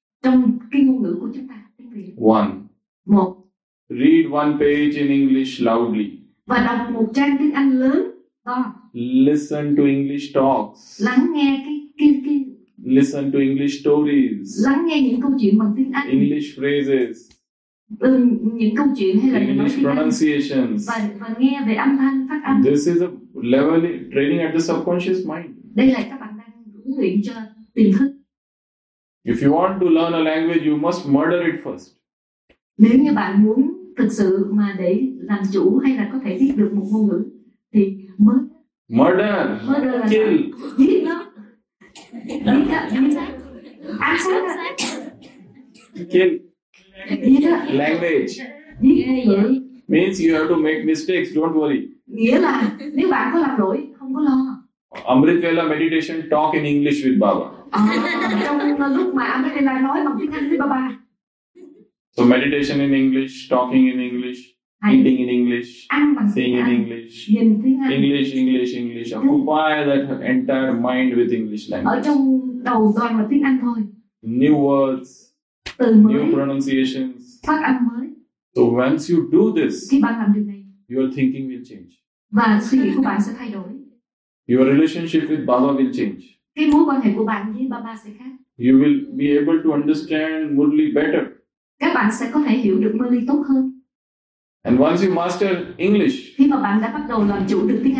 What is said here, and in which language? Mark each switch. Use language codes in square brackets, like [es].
[vi] Trong cái ngôn ngữ của chúng ta, tiếng Việt. 1. [en] Read 1 page in English loudly. [vi] Và đọc 1 trang tiếng Anh lớn to. [en] Listen to English talks. [vi] Lắng nghe cái. [en] Listen to English stories. [vi] Lắng nghe những câu chuyện bằng tiếng Anh. [en] English phrases. [vi] Những câu chuyện hay là [en] English pronunciations. [vi] Và nghe về âm thanh, phát âm. [en] This is a level training at the subconscious mind. [vi] Đây là các bạn đang huấn luyện cho tiềm thức. [en] If you want to learn a language, you must murder it first. [vi] Nếu như bạn muốn thực sự mà để làm chủ hay là có thể viết được một ngôn ngữ thì [en] murder kill language means you have to make mistakes, don't worry. [vi] Nghĩa là nếu bạn có làm lỗi không có lo. [en] Amrit Vela meditation talk in English with Baba. [vi] Trong lúc mà Amrit Vela nói bằng tiếng Anh với Baba. [en] So meditation in English, talking in English, eating in English, saying in English, English, occupy that entire mind with English language. [vi] Ở trong đầu toàn là tiếng Anh thôi. [en] New words, [vi] từ mới, [en] new pronunciations, [vi] phát âm mới. [en] So once you do this, [vi] khi bạn làm điều này, [en] your thinking will change. [vi] Và suy nghĩ của bạn sẽ thay đổi. [en] Your relationship with Baba will change. [vi] Cái mối quan hệ của bạn với Baba sẽ khác. [en] You will be able to understand Murli better. [vi] Các bạn sẽ có thể hiểu được Murli tốt hơn. [en] And once you master English, [vi] khi mà bạn đã bắt đầu làm chủ được tiếng Anh,